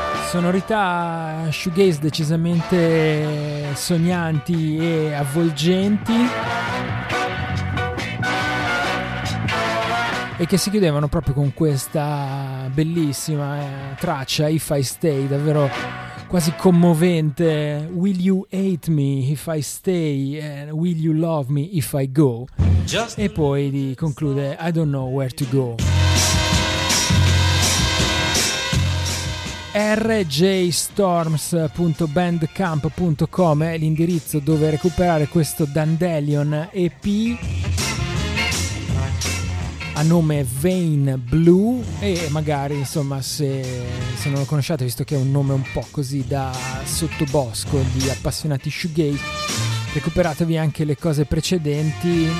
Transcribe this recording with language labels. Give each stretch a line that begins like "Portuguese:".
Italian: Sonorità shoegaze decisamente sognanti e avvolgenti, e che si chiudevano proprio con questa bellissima traccia, If I Stay, davvero quasi commovente.
English: Will you hate me if I stay? And will you love me if I go?
Italian: E poi di conclude
English: I don't know where to go.
Italian: rjstorms.bandcamp.com è l'indirizzo dove recuperare questo Dandelion EP a nome Vain Blue, e magari insomma se non lo conosciate, visto che è un nome un po' così da sottobosco di appassionati shoegaze, recuperatevi anche le cose precedenti.